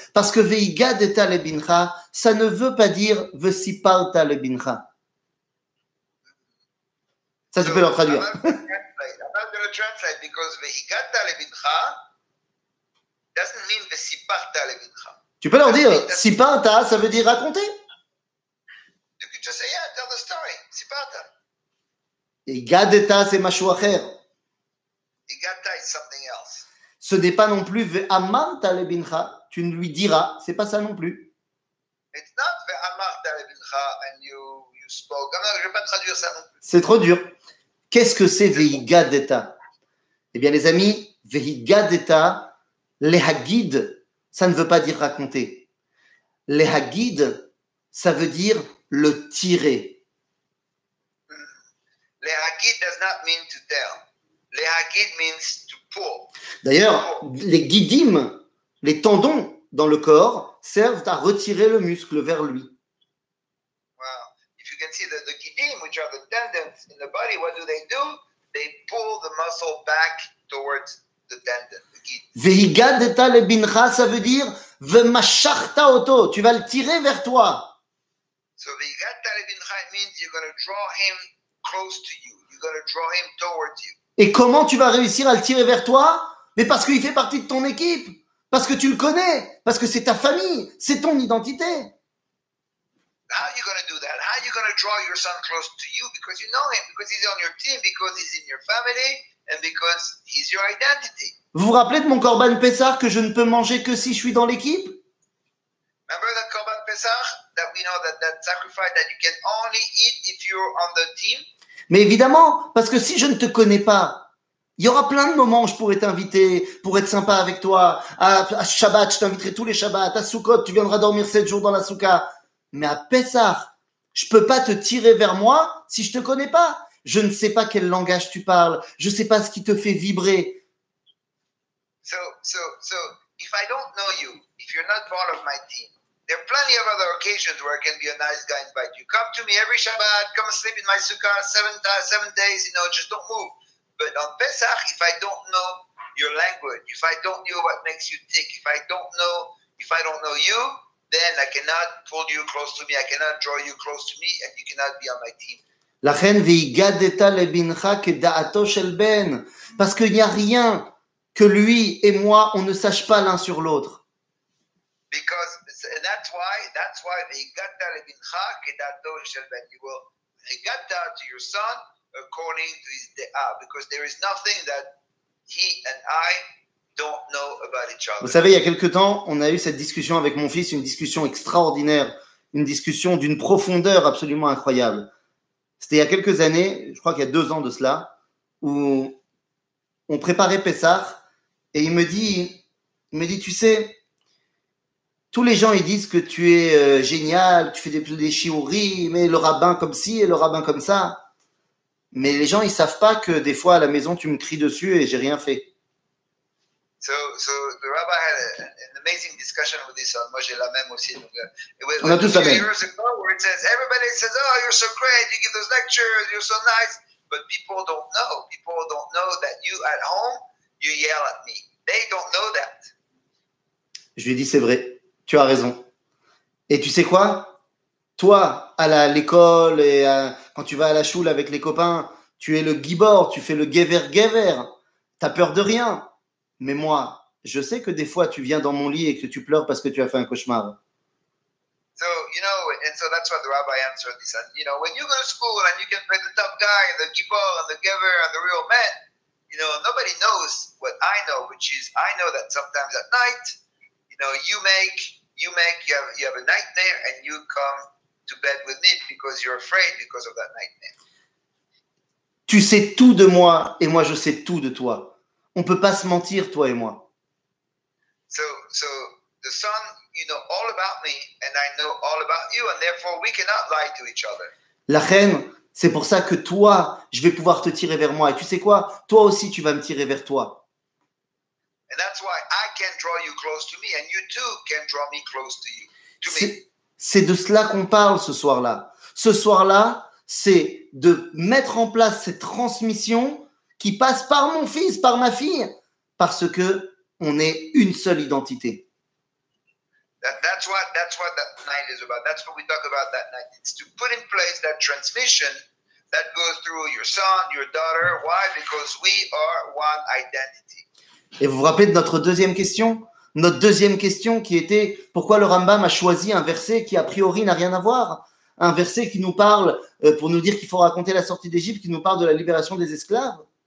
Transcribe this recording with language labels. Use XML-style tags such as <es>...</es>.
<fr>Parce que</fr> <he>Veigadeta lebincha,</he> <fr>ça ne veut pas dire</fr> <he>Vesiparta lebincha.</he> <fr>Ça, tu peux le traduire.</fr> <en>I'm not going to translate because</en> <he>Veigadeta lebincha</he> <en>doesn't mean</en> <he>Vesiparta lebincha.</he> <fr>Tu peux leur dire Siparta, ça veut dire raconter.</fr> <en>You could just say, yeah, tell the story.</en> <he>Siparta.</he> <fr>Veigadeta, c'est</fr> <he>machu acher.</he> <en>Veigadeta is something else.</en> <fr>Ce n'est pas non plus</fr> <he>ve'amarta lebincha,</he> <fr>tu ne lui diras, ce n'est pas ça non plus.</fr> <en>It's not</en> <he>ve'amarta lebincha</he> <en>and you spoke.</en> <fr>Non, je ne vais pas traduire ça non plus. C'est trop dur. Qu'est-ce que c'est ve'higadeta? Eh bien, les amis, ve'higadeta, lehagid, ça ne veut pas dire raconter. Lehagid, ça veut dire le tirer.</fr> <en>Lehagid does not mean to tell. Lehagid means to pull.</en> <fr>D'ailleurs, les guidim, les tendons dans le corps, servent à retirer le muscle vers lui.</fr> <en>Wow. If you can see the guidim, which are the tendons in the body, what do? They pull the muscle back towards the tendon.</en> <he>Vehigadeta lebincha,</he> <fr>ça veut dire</fr> <he>vemashachta oto,</he> <fr>tu vas le tirer vers toi.</fr> <en>So</en> <he>vehigadeta lebincha</he> <en>means you're going to draw him close to you. You're going to draw him towards you.</en> <fr>Et comment tu vas réussir à le tirer vers toi? Mais parce qu'il fait partie de ton équipe, parce que tu le connais, parce que c'est ta famille, c'est ton identité.</fr> <en>How are you going to do that? How are you going to draw your son close to you because you know him, because he's on your team, because he's in your family, and because he's your identity?</en> <fr>Vous vous rappelez de mon Corban Pessah que je ne peux manger que si je suis dans l'équipe?</fr> <en>Remember that Corban Pessah that we know that sacrifice that you can only eat if you're on the team?</en> <fr>Mais évidemment, parce que si je ne te connais pas, il y aura plein de moments où je pourrais t'inviter, pour être sympa avec toi. À Shabbat, je t'inviterai tous les Shabbats. À Sukkot, tu viendras dormir 7 jours dans la Souka. Mais à Pessah, je ne peux pas te tirer vers moi si je ne te connais pas. Je ne sais pas quel langage tu parles. Je ne sais pas ce qui te fait vibrer.</fr> <en>So, if I don't know you, if you're not part of my team, there are plenty of other occasions where I can be a nice guy and invite you. Come to me every Shabbat, come sleep in my sukkah seven days, you know, just don't move. But on Pesach, if I don't know your language, if I don't know what makes you tick, if I don't know you, then I cannot pull you close to me, I cannot draw you close to me, and you cannot be on my team.</en> <he>Lachen v'igadeta lebincha ke da'ato shel ben.</he> <fr>Parce qu'il n'y a rien que lui et moi, on ne sache pas l'un sur l'autre.</fr> <en>Because that's why</en> <he>veigadeta lebincha kedato shel ben,</he> <en>you will veigadeta to your son according to his de'a, because there is nothing that he and I don't know about each other.</en> <fr>Vous savez, il y a quelque temps, on a eu cette discussion avec mon fils, une discussion extraordinaire, une discussion d'une profondeur absolument incroyable. C'était il y a quelques années, je crois qu'il y a 2 ans de cela, où on préparait Pessah, et il me dit, tu sais, tous les gens, ils disent que tu es génial, tu fais des chiouris, mais le rabbin comme ci et le rabbin comme ça. Mais les gens, ils savent pas que des fois à la maison, tu me cries dessus et j'ai rien fait.</fr> <en>So the rabbi had an amazing discussion with his son.</en> <fr>Moi, j'ai la même aussi. On a tous la même.</fr> <en>Years ago, where it says, everybody says, oh, you're so great, you give those lectures, you're so nice. But people don't know. People don't know that you at home, you yell at me. They don't know that.</en> <fr>Je lui ai dit, c'est vrai. Tu as raison. Et tu sais quoi? Toi, l'école et quand tu vas à la choule avec les copains, tu es le gibor, tu fais le guéver. T'as peur de rien. Mais moi, je sais que des fois, tu viens dans mon lit et que tu pleures parce que tu as fait un cauchemar.</fr> <en>So, you know, and so that's what the rabbi answered. He said, you know, when you go to school and you can play the tough guy and the gibor and the giver and the real man, you know, nobody knows what I know, which is I know that sometimes at night, you know, you have a nightmare and you come to bed with me because you're afraid because of that nightmare.</en> <fr>Tu sais tout de moi et moi je sais tout de toi. On peut pas se mentir, toi et moi.</fr> <en>So the son, you know all about me and I know all about you and therefore we cannot lie to each other.</en> <fr>La reine, c'est pour ça que toi, je vais pouvoir te tirer vers moi. Et tu sais quoi? Toi aussi, tu vas me tirer vers toi.</fr> <en>And that's why I can draw you close to me and you too can draw me close to you.</en> <fr>C'est de cela qu'on parle ce soir-là. Ce soir-là, c'est de mettre en place cette transmission qui passe par mon fils, par ma fille, parce que on est une seule identité.</fr> <en>That's what that night is about. That's what we talk about that night. It's to put in place that transmission that goes through your son, your daughter. Why? Because we are one identity.</en> <fr>Et vous vous rappelez de notre deuxième question? Notre deuxième question qui était pourquoi le Rambam a choisi un verset qui a priori n'a rien à voir? Un verset qui nous parle, pour nous dire qu'il faut raconter la sortie d'Égypte, qui nous parle de la libération des esclaves.</fr>